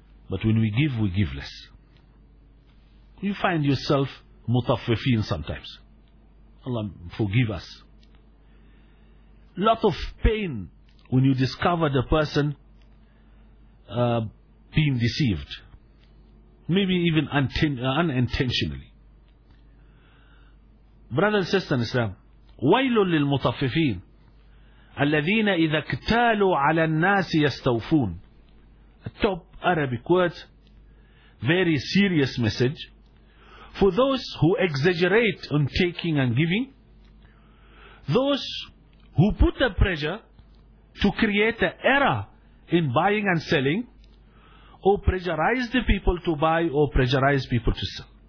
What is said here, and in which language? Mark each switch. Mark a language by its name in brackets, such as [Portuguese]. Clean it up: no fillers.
[English] But when we give less. You find yourself mutaffifin sometimes. Allah forgive us. Lot of pain when you discover the person being deceived. Maybe even unintentionally. Brother and sister in Islam, [Arabic] وَيْلٌ لِلْمُطَفِّفِينَ الَّذِينَ إِذَا اكْتَالُوا عَلَى النَّاسِ يَسْتَوْفُونَ. [English] A top Arabic word, very serious message. For those who exaggerate on taking and giving, those who put the pressure to create an error in buying and selling, or pressurize the people to buy or pressurize people to sell.